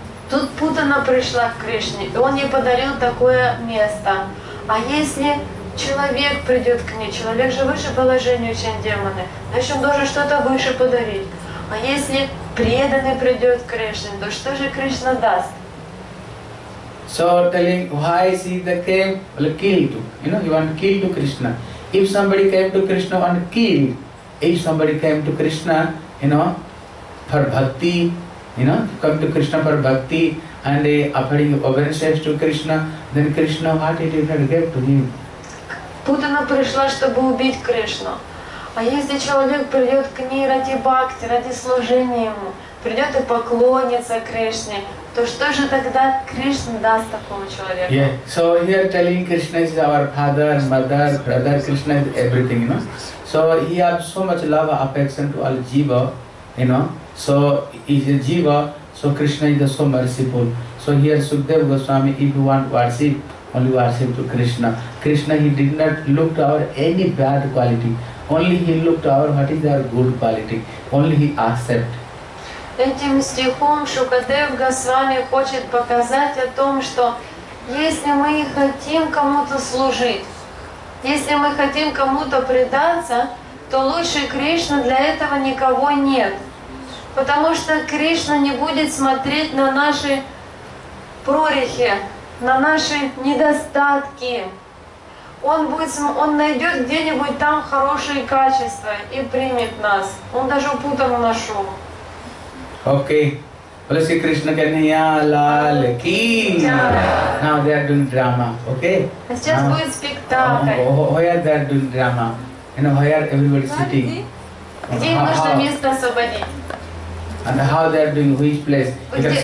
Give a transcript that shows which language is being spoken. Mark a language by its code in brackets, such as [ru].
[ru] Тут путана пришла к Кришне, и он ей подарил такое место. А если человек придет к ней, человек же выше положения, чем демоны, значит, он должен что-то выше подарить. А если преданный придет к Кришне, то что же Кришна даст? [en] So telling why she came, well, kill to, you know, he want to kill to Krishna. If somebody came to Krishna and kill, if somebody came to Krishna, you know, for bhakti, you know, come to Krishna for bhakti and offering obeisances to Krishna, then Krishna, what it is that gave to him? [ru] Путана пришла, чтобы убить Кришну. А если человек придет к ней ради бхакти, ради служения ему, придет и поклонится Кришне, то что же тогда Кришна даст такому человеку? [en] Yeah, so here telling Krishna is our father, mother, brother, Krishna is everything, you know. So he has so much love, affection to all jiva, you know. So is a jiva, so Krishna is so merciful. So here Sukadeva Goswami, if you want worship, only worship to Krishna. Krishna, he did not look to our any bad quality. Only he looked to our what is our good quality. Only he accept. [ru] Этим стихом Шукадев Госвами хочет показать о том, что если мы хотим кому-то служить, если мы хотим кому-то предаться, то лучше Кришна для этого никого нет. Потому что Кришна не будет смотреть на наши прорехи, на наши недостатки. Он найдет где-нибудь там хорошие качества и примет нас. Он даже путану нашел. Окей. Если Кришна Ганья Лаль Ки. [en] Now they are doing drama. Окей? [ru] А сейчас будет спектакль. [en] Why are they doing drama? You know, why are everybody sitting? [ru] Где им нужно место освободить? [en] And how they are doing, which place? Because